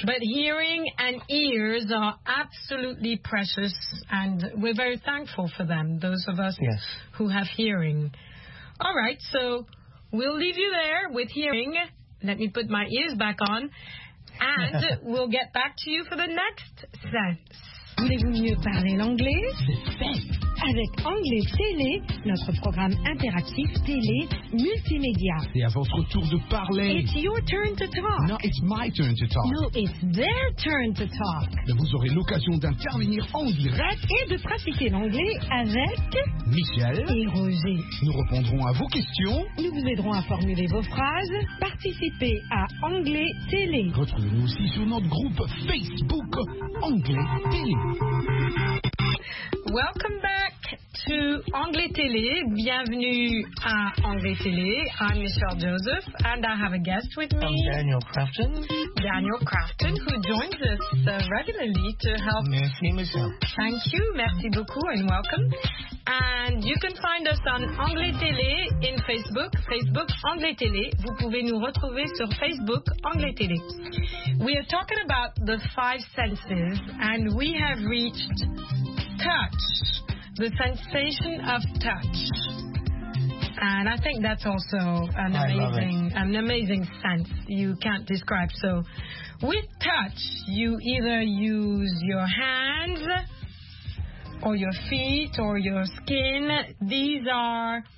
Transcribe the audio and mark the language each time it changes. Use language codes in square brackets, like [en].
[en] But hearing and ears are absolutely precious, and we're very thankful for them, those of us yes. who have hearing. All right, so we'll leave you there with hearing. Let me put my ears back on, and we'll get back to you for the next sense. [fr] Voulez-vous mieux parler l'anglais? C'est fait. Avec Anglais Télé, notre programme interactif télé multimédia. C'est à votre tour de parler. [en] It's your turn to talk. No, it's my turn to talk. No, it's their turn to talk. [fr] Vous aurez l'occasion d'intervenir en direct et de pratiquer l'anglais avec Michel et Roger. Nous répondrons à vos questions. Nous vous aiderons à formuler vos phrases. Participez à Anglais Télé. Retrouvez-nous aussi sur notre groupe Facebook Anglais Télé. [en] Welcome back to Anglais Télé. [fr] Bienvenue à Anglais Télé. [en] I'm Michelle Joseph, and I have a guest with me. I'm Daniel Crafton. Daniel Crafton, who joins us regularly to help. [fr] Merci, Michelle. [en] Thank you. [fr] Merci beaucoup, [en] and welcome. And you can find us on Anglais Télé in Facebook. [fr] Facebook Anglais Télé. Vous pouvez nous retrouver sur Facebook Anglais Télé. [en] We are talking about the five senses, and we have reached touch, the sensation of touch. And I think that's also an amazing sense you can't describe. So with touch, you either use your hands or your feet or your skin. These are